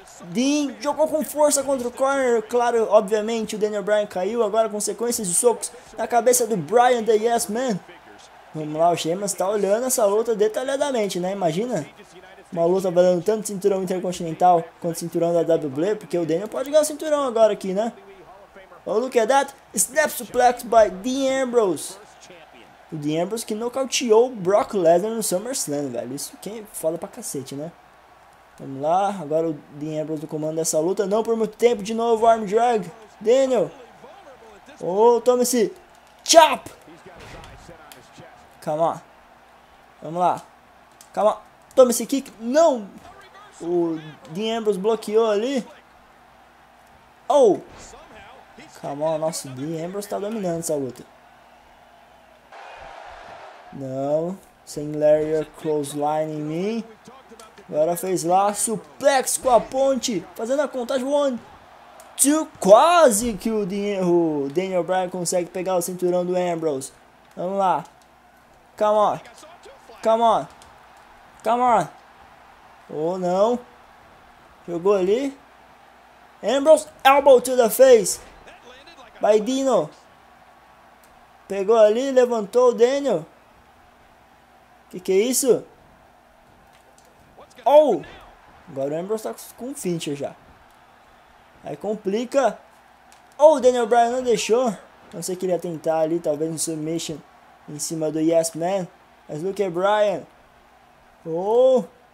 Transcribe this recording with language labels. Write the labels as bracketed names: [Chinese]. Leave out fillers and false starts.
[Portuguese] Dean jogou com força contra o corner, claro, obviamente o Daniel Bryan caiu, agora com sequências de socos na cabeça do Bryan, the Yes Man. Vamos lá, o Sheamus tá olhando essa luta detalhadamente, né, imagina? Uma luta valendo tanto cinturão intercontinental quanto cinturão da WWE, porque o Daniel pode ganhar o cinturão agora aqui, né? [English] Oh, look at that, snap suplex by Dean Ambrose. [Portuguese] O Dean Ambrose que nocauteou o Brock Lesnar no SummerSlam, velho. Isso quem fala pra cacete, né? Vamos lá. Agora o Dean Ambrose no comando dessa luta. Não por muito tempo. De novo, arm drag. Daniel. Oh, toma esse. Chop. Calma. Vamos lá. Calma. Toma esse kick. Não. O Dean Ambrose bloqueou ali. Oh. Calma. Nossa, o Dean Ambrose tá dominando essa luta. Não, sem Lariat Clothesline em mim. Agora fez lá, suplex com a ponte, fazendo a contagem. One, two, quase que o Daniel Bryan consegue pegar o cinturão do Ambrose. Vamos lá. [English] Come on. Come on. Come on. [Portuguese] Oh, não. Jogou ali. [English] Ambrose, elbow to the face. [Portuguese] Vai, Dino. Pegou ali, levantou o Daniel. Que é isso? Oh! Agora o Ambrose tá com o Fincher já. Aí complica. Oh, o Daniel Bryan não deixou. Não sei que ele ia tentar ali, talvez um submission em cima do Yes Man. Mas [English] look at Bryan. [Portuguese] Oh!